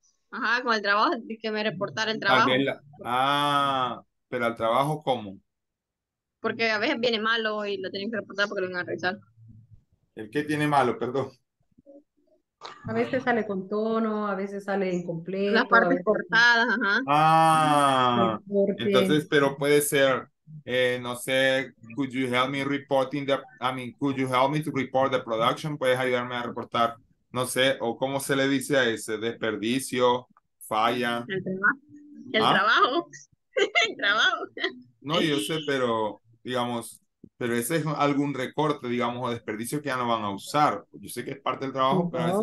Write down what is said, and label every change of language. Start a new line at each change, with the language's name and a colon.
Spanish: Ajá, con el trabajo, es que me reportara el trabajo. Pero al trabajo, ¿cómo? Porque a veces viene malo y lo tienen que reportar porque lo van a revisar. ¿El qué tiene malo? Perdón. A veces sale con tono, a veces sale incompleto. Las partes cortadas, ajá. Entonces, pero puede ser, no sé,
English: could you help me reporting the, I mean, could you help me to report the production?
Spanish: ¿Puedes ayudarme a reportar? No sé, o ¿cómo se le dice a ese? ¿Desperdicio? ¿Falla? El trabajo. El trabajo. No, yo sé, pero digamos, pero ese es algún recorte, digamos, o desperdicio que ya no van a usar. Yo sé que es parte del trabajo, pero